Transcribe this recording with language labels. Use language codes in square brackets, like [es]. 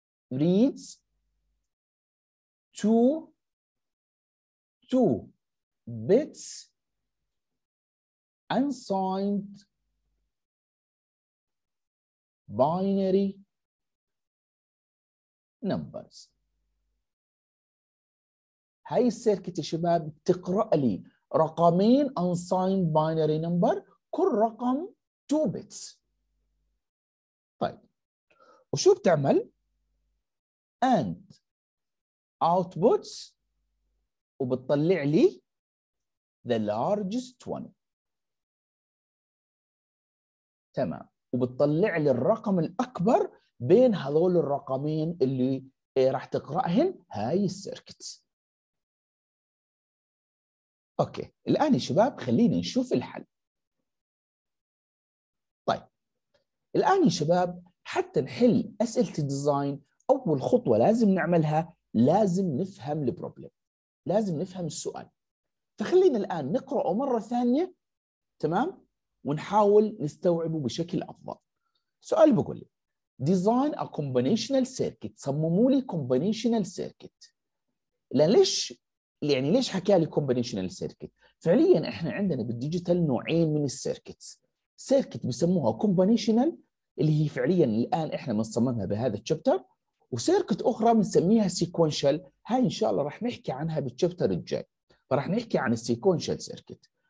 [en] reads two bits unsigned binary numbers. [ar] هاي السيركت يا شباب تقرأ لي رقمين [en] unsigned binary number [ar] كل رقم 2 bits. طيب وشو بتعمل؟ [en] and outputs [ar] وبتطلع لي [en] the largest one. [ar] تمام، وبتطلع لي الرقم الأكبر بين هذول الرقمين اللي راح تقرأهن هاي السيركت. أوكي الآن يا شباب خلينا نشوف الحل. طيب الآن يا شباب حتى نحل أسئلة الديزاين أول خطوة لازم نعملها لازم نفهم البروبلم، لازم نفهم السؤال. فخلينا الآن نقرأه مرة ثانية تمام ونحاول نستوعبه بشكل أفضل. سؤال بقول لي [en] design a combinational circuit، [ar] صمموا لي combinational circuit. ليش يعني ليش حكى لي combinational circuit؟ فعليا احنا عندنا بالديجيتال نوعين من السيركتس، سيركت بسموها combinational اللي هي فعليا الان احنا بنصممها بهذا الشابتر، وسيركت اخرى بنسميها sequential، هاي ان شاء الله راح نحكي عنها بالشابتر الجاي، فراح نحكي عن sequential circuit.